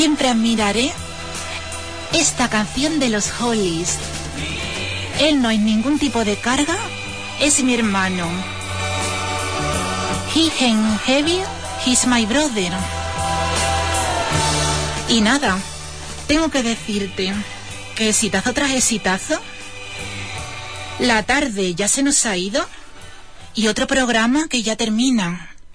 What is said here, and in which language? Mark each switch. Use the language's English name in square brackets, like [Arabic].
[Spanish] Admiraré esta canción de los Hollies. Él no es ningún tipo de carga, es mi hermano. [English] He ain't heavy, he's my brother. [Spanish] Y nada, tengo que decirte que exitazo tras exitazo, la tarde ya se nos ha ido y otro programa que ya termina.